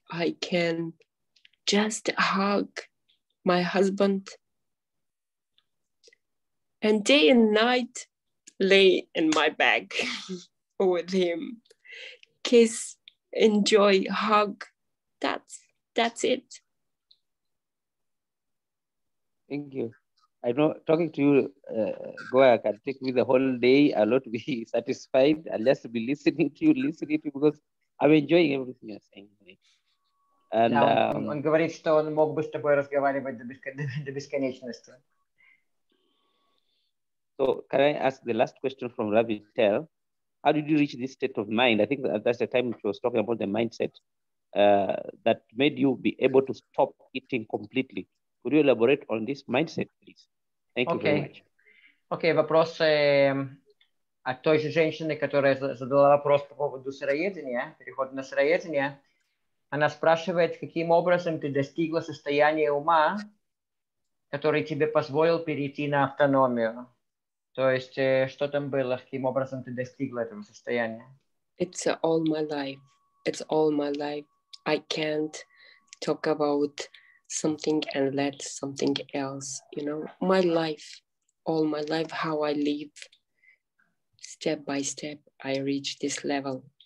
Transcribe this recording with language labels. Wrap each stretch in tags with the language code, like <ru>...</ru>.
<en>I can just hug my husband and day and night lay in my bag with him, kiss, enjoy, hug. That's it. Thank you. I know talking to you, Goa, can take me the whole day. I'll not be satisfied. I'll just be listening to you because I'm enjoying everything you're saying.</en> <ru>And он говорит, что он мог бы с тобой разговаривать до бесконечности.</ru> <en>So can I ask the last question from Ravi Tel? How did you reach this state of mind? I think that's the time she was talking about the mindset that made you be able to stop eating completely. Could you elaborate on this mindset, please? Thank you very much.</en> <ru>Okay, вопрос от той же женщины, которая задала вопрос по поводу сыроедения, перехода на сыроедение. Она спрашивает, каким образом ты достигла состояния ума, который тебе позволил перейти на автономию. То есть, что там было, каким образом ты достигла этого состояния?</ru> <en>It's all my life. It's all my life. I can't talk about something and let something else, you know. My life, all my life, how I live. Step by step, I reach this level.</en>